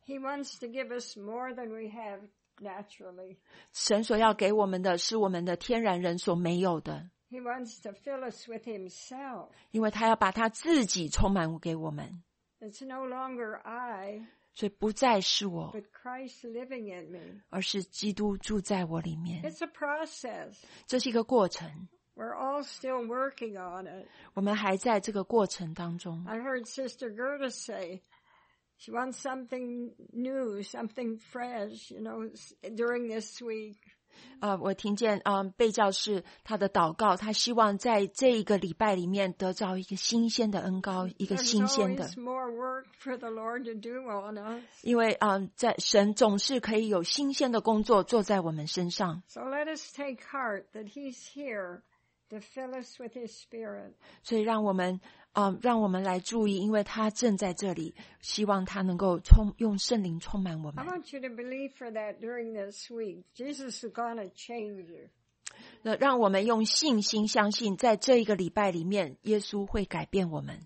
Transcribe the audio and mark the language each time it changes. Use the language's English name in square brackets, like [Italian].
[English] He wants to give us more than we have naturally. [Chinese] 神所要给我们的是我们的天然人所没有的。 [English] He wants to fill us with himself. [Chinese] 因为他要把他自己充满给我们。 [English] It's no longer I. [Chinese] 所以不再是我 [English] But Christ living in me. [Chinese] 而是基督住在我里面 [English] It's a process. [Chinese] 这是一个过程 [English] We're all still working on it. [Chinese] 我们还在这个过程当中 [English] I heard Sister Gerda say she wants something new, something fresh, you know, during this week. [Chinese] 我听见贝教士他的祷告他希望在这一个礼拜里面得到一个新鲜的恩膏一个新鲜的 [English] There's always more work for the Lord to do on us. [Chinese] 因为在神总是可以有新鲜的工作做在我们身上 [English] So let us take heart that he's here to fill us with his spirit. [Chinese] 所以让我们来注意因为他正在这里希望他能够用圣灵充满我们。 [English] I want you to believe for that during this week. Jesus is going to change you. [Chinese] 那让我们用信心相信在这一个礼拜里面耶稣会改变我们。